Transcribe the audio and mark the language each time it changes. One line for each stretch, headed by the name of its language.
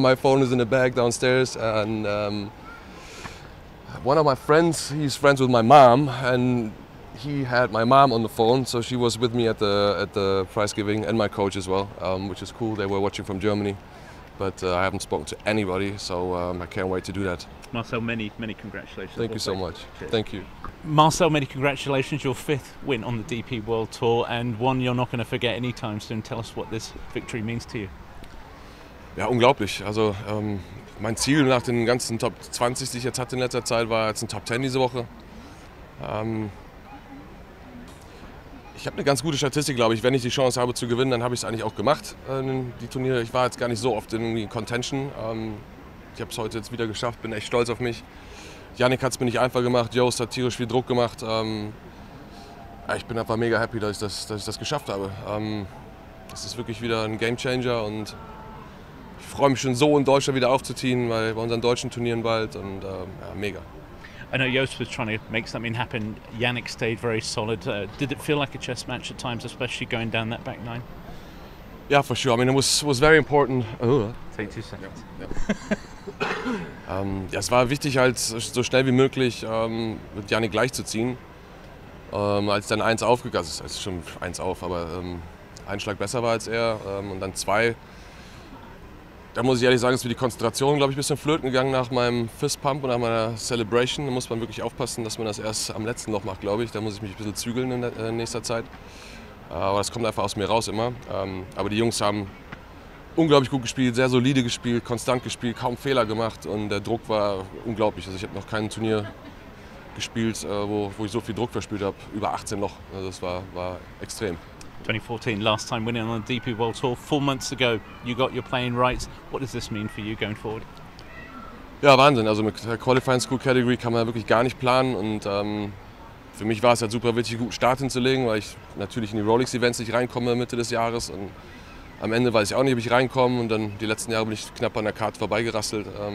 English: my phone is in a bag downstairs, and one of my friends, he's friends with my mom, and he had my mom on the phone, so she was with me at the prize giving, and my coach as well, which is cool. They were watching from Germany, but I haven't spoken to anybody, so I can't wait to do that. Marcel, many, many congratulations. Thank you so much. Cheers. Thank you. Marcel, many congratulations. Your 5th win on the DP World Tour, and one you're not going to forget anytime soon. Tell us what this victory means to you.
German: Ja, unglaublich. Also, mein Ziel nach den ganzen Top 20, die ich jetzt hatte in letzter Zeit, war jetzt ein Top 10 diese Woche. Ich habe eine ganz gute Statistik, glaube ich. Wenn ich die Chance habe zu gewinnen, dann habe ich es eigentlich auch gemacht, die Turniere. Ich war jetzt gar nicht so oft in Contention. Ich habe es heute jetzt wieder geschafft, bin echt stolz auf mich. Yannick hat es mir nicht einfach gemacht, Joost hat tierisch viel Druck gemacht. Ich bin einfach mega happy, dass ich das geschafft habe. Es ist wirklich wieder ein Game Changer, und ich freue mich schon so, in Deutschland wieder aufzuziehen, weil bei unseren deutschen Turnieren bald, und ja, mega.
English: I know Joost was trying to make something happen. Yannick stayed very solid. Did it feel like a chess match at times, especially going down that back nine? Yeah, for sure. I mean, it was very important. Take 2 seconds. Yeah.
German: es war wichtig, halt so schnell wie möglich mit Yannick gleichzuziehen. Als dann eins aufgegangen ist, also schon eins auf, aber ein Schlag besser war als er, und dann zwei, da muss ich ehrlich sagen, ist mir die Konzentration, glaube ich, ein bisschen flöten gegangen nach meinem Fistpump und nach meiner Celebration. Da muss man wirklich aufpassen, dass man das erst am letzten Loch macht, glaube ich. Da muss ich mich ein bisschen zügeln in nächster Zeit. Aber das kommt einfach aus mir raus immer. Aber die Jungs haben unglaublich gut gespielt, sehr solide gespielt, konstant gespielt, kaum Fehler gemacht. Und der Druck war unglaublich. Also ich habe noch kein Turnier gespielt, wo ich so viel Druck verspielt habe, über 18 Loch. Also das war extrem.
English: 2014, last time winning on the DP World Tour, 4 months ago, you got your playing rights. What does this mean for you going forward?
German: Ja, Wahnsinn. Also mit der Qualifying School Category kann man wirklich gar nicht planen. Und für mich war es halt super wichtig, einen guten Start hinzulegen, weil ich natürlich in die Rolex Events nicht reinkomme Mitte des Jahres. Und am Ende weiß ich auch nicht, ob ich reinkomme. Und dann die letzten Jahre bin ich knapp an der Karte vorbeigerasselt.